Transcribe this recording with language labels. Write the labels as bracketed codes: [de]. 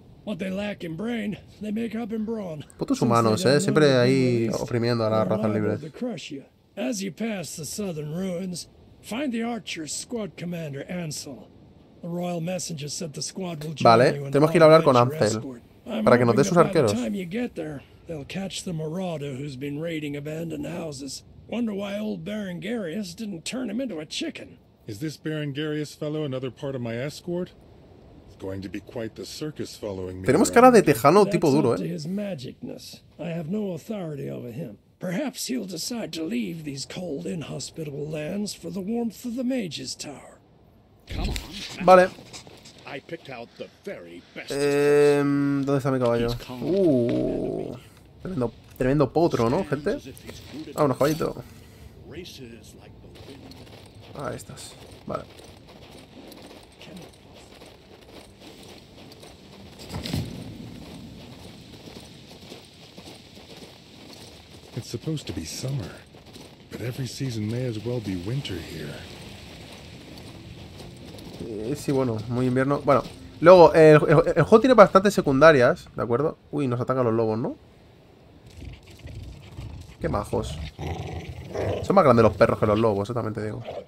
[en] What they lack in brain, they make up in brawn. [es] Putos humanos, ¿eh? Siempre ahí oprimiendo a la raza libre. [en] As you pass the southern ruins, find the archer squad commander Ansel. The royal messenger said the squad will join [es] vale, tenemos que ir a hablar con Ansel para que nos dé sus arqueros. [en] They'll catch the marauder who's been raiding abandoned houses. Wonder why old Berengarius didn't turn him into a chicken. Is this Berengarius fellow another part of my escort? It's going to be quite the circus following me. [es] Tenemos cara de tejano tipo duro, ¿eh? [en] His magicness. I have no authority over him. Perhaps he'll decide to leave these cold, inhospitable lands for the warmth of the Mage's Tower. Come on. [es] Vale. [en] I picked out the very best. [es] ¿Dónde está mi caballo? Tremendo, tremendo potro, ¿no, gente? Ah, unos caballitos. Ah, estas. Vale. [en] It's supposed to be summer, but every season may as well be winter here. [es] Sí, bueno, muy invierno. Bueno, luego, el juego tiene bastantes secundarias, ¿de acuerdo? Uy, nos atacan los lobos, ¿no? Qué majos. Son más grandes los perros que los lobos, eso también te digo.